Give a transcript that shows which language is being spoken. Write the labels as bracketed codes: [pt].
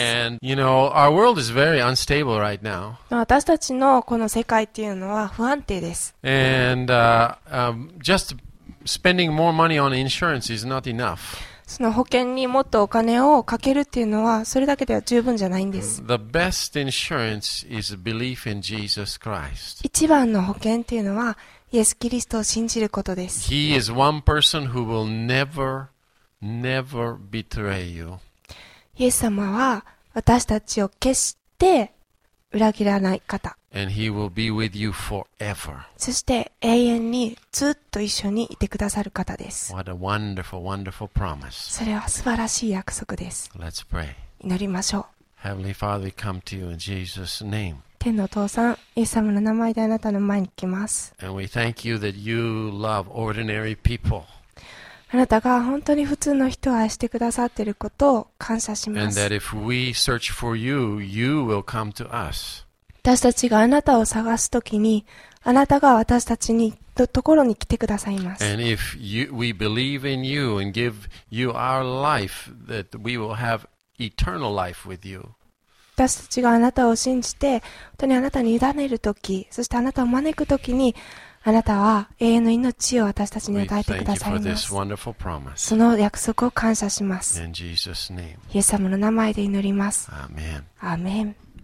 [en] And, you know, our world is very unstable right now. [ja] 私たちのこの世界っていうのは不安定です。 [en] And, just spending more money on insurance is not enough. [ja] その保険にもっとお金をかけるっていうのはそれだけでは十分じゃないんです。 [en] The best insurance is belief in Jesus Christ. [ja] 一番の保険っていうのはイエス・キリストを信じることです。 [en] He is one person who will never betray you. [ja] イエス様は私たちを決して裏切らない方。 [en] And he will be with you forever. [ja] そして永遠にずっと一緒にいてくださる方です。 [en] What a wonderful, wonderful promise. [ja] それは素晴らしい約束です。 [en] Let's pray. [ja] 祈りましょう。 [en] Heavenly Father, we come to you in Jesus' name. [ja] 天のお父さん、イエス様の名前であなたの前に来ます。 [en] And we thank you that you love ordinary people. [ja] あなたが本当に普通の人を愛してくださっていることを感謝します。 [en] And that if we search for you, you will come to us. [ja] 私たちがあなたを探すときに、あなたが私たちにところに来てくださいます。 [en] And if we believe in you and give you our life, that we will have eternal life with you. [ja] 私たちがあなたを信じて、本当にあなたに委ねるとき、そしてあなたを招くときに、あなたは永遠の命を私たちに与えてくださいます。その約束を感謝します。イエス様の名前で祈ります。アーメン。アーメン。